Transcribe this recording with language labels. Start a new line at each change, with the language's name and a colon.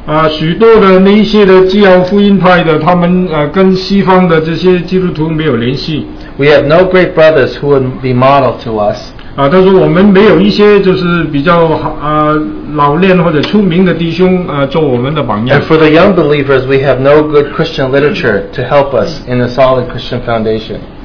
Chinese: 许多的那一些的基督福音派的，他们跟西方的这些基督徒没有联系。
English: We have no great brothers who would be model to us.
Chinese: 但是我们没有一些就是比较老练或者出名的弟兄做我们的榜样。
English: And for the young believers, we have no good Christian literature to help us in a solid Christian foundation.